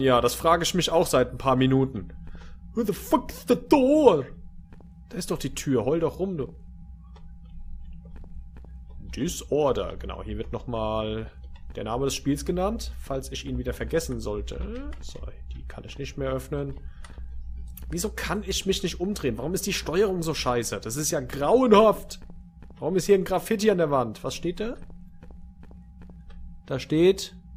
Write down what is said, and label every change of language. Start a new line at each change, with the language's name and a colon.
German: Ja, das frage ich mich auch seit ein paar Minuten.
English: Where the fuck is the door?
German: Da ist doch die Tür, heul doch rum, du. Disorder, genau. Hier wird nochmal der Name des Spiels genannt, falls ich ihn wieder vergessen sollte. So, die kann ich nicht mehr öffnen. Wieso kann ich mich nicht umdrehen? Warum ist die Steuerung so scheiße? Das ist ja grauenhaft. Warum ist hier ein Graffiti an der Wand? Was steht da? Da steht...